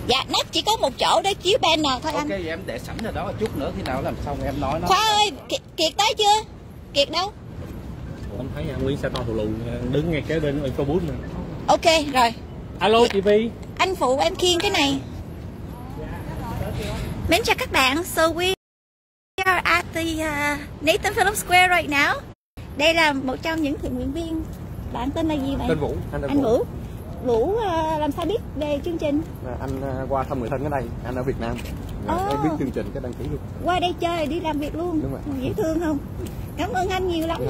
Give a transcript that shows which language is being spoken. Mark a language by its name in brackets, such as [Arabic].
[Vietnamese] Dạ nắp chỉ có một chỗ để chiếu banner thôi anh. Ok em để sẵn rồi đó, chút nữa khi nào làm xong em nói nó. Khoa ơi, Kiệt tới chưa? Kiệt đâu? Không thấy anh Nguyễn xe to thù lù đứng ngay kế bên Infobus nè. Ok rồi. Alo chị Vy. Anh phụ em khiêng cái này. Mến chào các bạn. [English] So we are at the Nathan Phillips Square right now. [Vietnamese] Đây là một trong những thiện nguyện viên. Bạn tên là gì vậy? Tên Vũ. Anh Vũ. Vũ làm sao biết về chương trình? Anh qua thăm người thân ở đây. Anh ở Việt Nam. Em biết chương trình cái đăng ký luôn. Qua đây chơi đi làm việc luôn. Đúng rồi. Dễ thương không? Cảm ơn anh nhiều lắm. Đúng